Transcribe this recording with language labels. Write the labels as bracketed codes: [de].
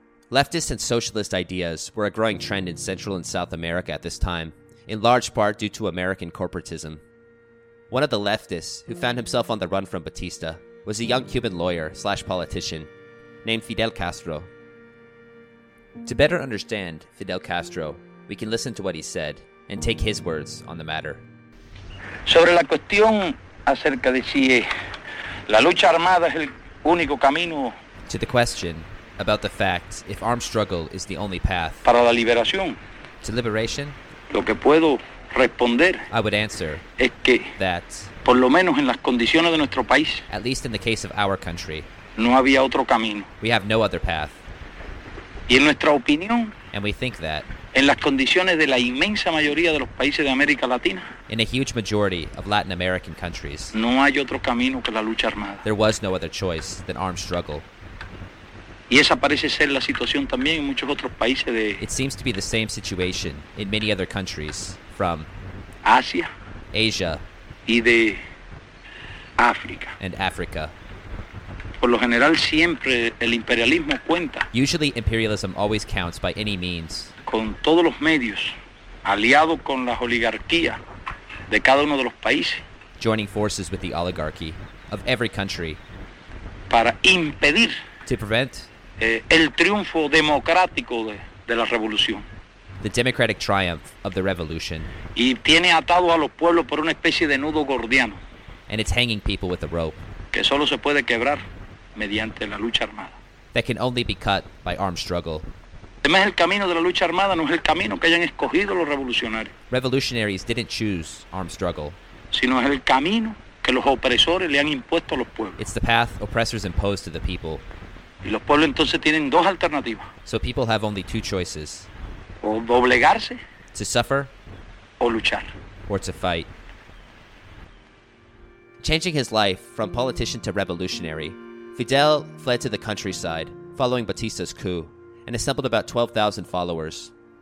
[en] Leftist and socialist ideas were a growing trend in Central and South America at this time, in large part due to American corporatism. One of the leftists who found himself on the run from Batista was a young Cuban lawyer slash politician named Fidel Castro. To better understand Fidel Castro, we can listen to what he said and take his words on the matter. [es] Sobre la cuestión acerca de si la lucha armada es el único camino. [en] To the question about the fact if armed struggle is the only path [es] para la liberación. [en] To liberation. [es] Lo que puedo responder. [en] I would answer [es] es que [en] that [es] por lo menos en las condiciones de nuestro país. [en] At least in the case of our country. [es] No había otro camino. [en] We have no other path. [es] Y en nuestra opinión, [en] and we think that [es] en las condiciones de la inmensa mayoría de los países de América Latina, [en] in a huge majority of Latin American countries, [es] no hay otro camino que la lucha armada. [en] There was no other choice than armed struggle. [es] Y esa parece ser la situación también en muchos otros países de [en] it seems to be the same situation in many other countries from [es] Asia, [en] Asia [es] y de África. [en] And Africa. [es] Por lo general siempre el imperialismo cuenta. [en] Usually imperialism always counts by any means. [es] Con todos los medios, aliado con las oligarquías de cada uno de los países. [en] Joining forces with the oligarchy of every country. [es] Para impedir. [en] To prevent. [es] El triunfo democrático de la revolución. [en] The democratic triumph of the revolution. [es] Y tiene atado a los pueblos por una especie de nudo gordiano. [en] And it's hanging people with a rope. [es] Que solo se puede quebrar. Mediante la lucha armada. [en] That can only be cut by armed struggle. [es] Además, el camino de la lucha armada no es el camino que hayan escogido los revolucionarios. [en] Revolutionaries didn't choose armed struggle. [es] Sino es el camino que los opresores le han impuesto a los pueblos. [en] It's the path oppressors imposed to the people. [es] Y los pueblos entonces tienen dos alternativas. [en] So people have only two choices. [es] O doblegarse. [en] To suffer. [es] O luchar. [en] Or to fight. Changing his life from politician to revolutionary, Fidel fled to the countryside following Batista's coup and assembled about 12,000 followers.